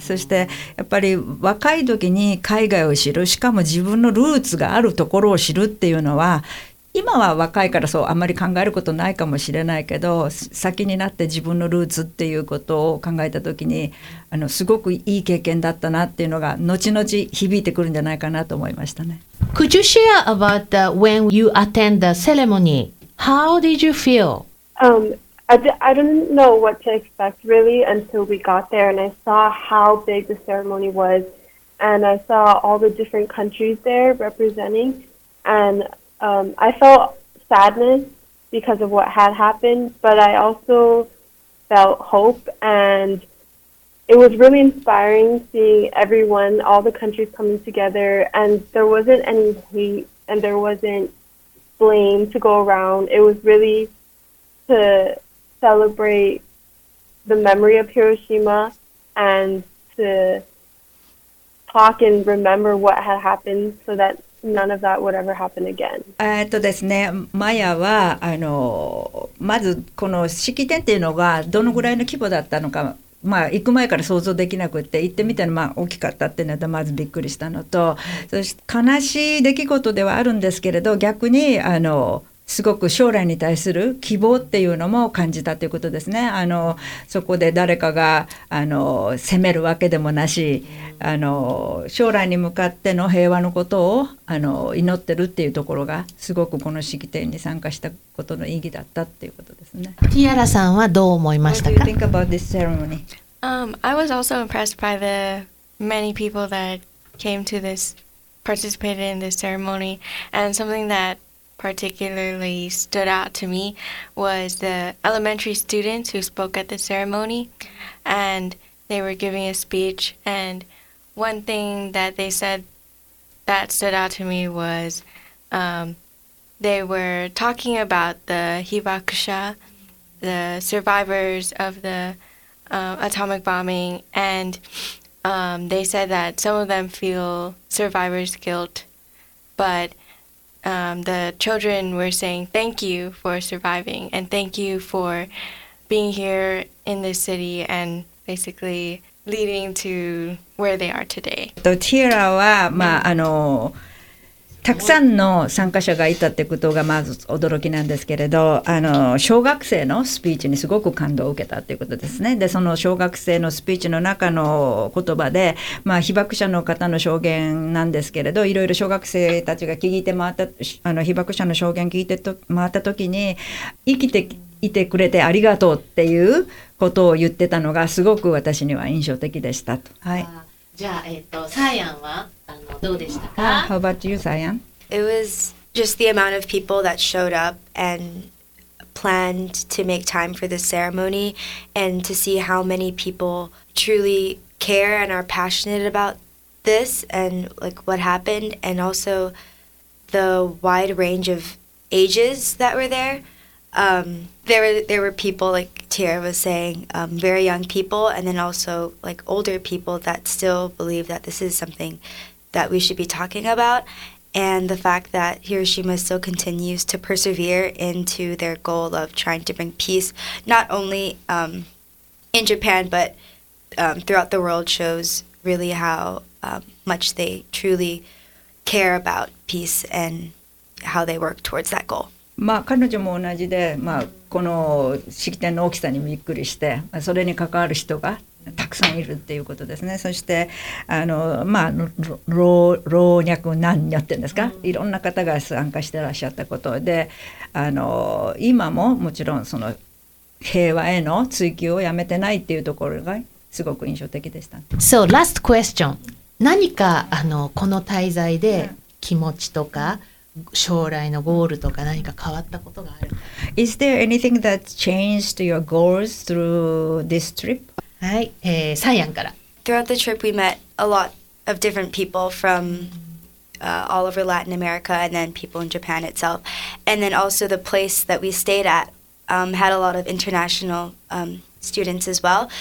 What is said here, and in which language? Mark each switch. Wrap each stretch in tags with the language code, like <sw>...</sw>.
<ja>そしてやっぱり若い時に海外を知る、しかも自分のルーツがあるところを知るっていうのは、今は若いからそうあんまり考えることないかもしれないけど、先になって自分のルーツっていうことを考えた時に、すごくいい経験だったなっていうのが後々響いてくるんじゃないかなと思いましたね。</ja> <en>Could you share about the, when you attend the ceremony? How did you feel? I didn't know what to expect really until we got there, and I saw how big the ceremony was, and I saw all the different countries there representing, and I felt sadness because of what had happened, but I also felt hope, and it was really inspiring seeing everyone, all the countries coming together, and there wasn't any hate, and there wasn't blame to go around. It was really to... celebrate the memory of Hiroshima and to talk and remember what had happened so that none of that would ever happen again.</en> <ja>ですね、マヤはまずこの式典っていうのがどのぐらいの規模だったのか、まあ、行く前から想像できなくて、行ってみたらまあ大きかったっていうのはまずびっくりしたのと、そして悲しい出来事ではあるんですけれど、逆にすごく将来に対する希望っていうのも感じたということですね。そこで誰かが責めるわけでもなし、将来に向かっての平和のことを祈ってるっていうところが、すごくこの式典に参加したことの意義だったっていうことですね。ティアラさんはどう思いましたか？</ja> <en>What do you think about this ceremony? I was also impressed by the many people that came to this, participated in this ceremony, and something thatparticularly stood out to me was the elementary students who spoke at the ceremony, and they were giving a speech, and one thing that they said that stood out to me was they were talking about the hibakusha, the survivors of the atomic bombing, and they said that some of them feel survivor's guilt, butthe children were saying thank you for surviving and thank you for being here in this city and basically leading to where they are today.</en> <ja>ティエラは、まあ、たくさんの参加者がいたってことがまず驚きなんですけれど、小学生のスピーチにすごく感動を受けたということですね。で、その小学生のスピーチの中の言葉で、まあ、被爆者の方の証言なんですけれど、いろいろ小学生たちが聞いて回った被爆者の証言聞いて回った時に、生きていてくれてありがとうっていうことを言ってたのがすごく私には印象的でしたと。はい。じゃあ、サイアンはどうでしたか?</ja> <en>How about you, Sayan? It was just the amount of people that showed up and planned to make time for the ceremony and to see how many people truly care and are passionate about this and like what happened, and also the wide range of ages that were there. There were people, like Tiara was saying, very young people, and then also like older people that still believe that this is somethingthat we should be talking about, and the fact that Hiroshima still continues to persevere into their goal of trying to bring peace, not only in Japan, but throughout the world shows really how much they truly care about peace and how they work towards that goal.</en> <ja>まあ、彼女も同じで、まあ、この式典の大きさにびっくりして、まあ、それに関わる人がたくさんいるっていうことですね。そしてまあ、老若男女っていうんですか、いろんな方が参加してらっしゃったことで、今ももちろんその平和への追求をやめてないっていうところがすごく印象的でした。</ja> <en>So last question、</en> <ja>何かこの滞在で気持ちとか将来のゴールとか何か変わったことがあるか。</ja> <en>Is there anything that changed your goals through this trip?</en> <ja>はい、サイアンから。</ja> <en>Throughout the trip we met a lot of different people fromall over Latin America and then people in Japan itself. And then also the place that we stayed at、had a lot of international、students as well.</en>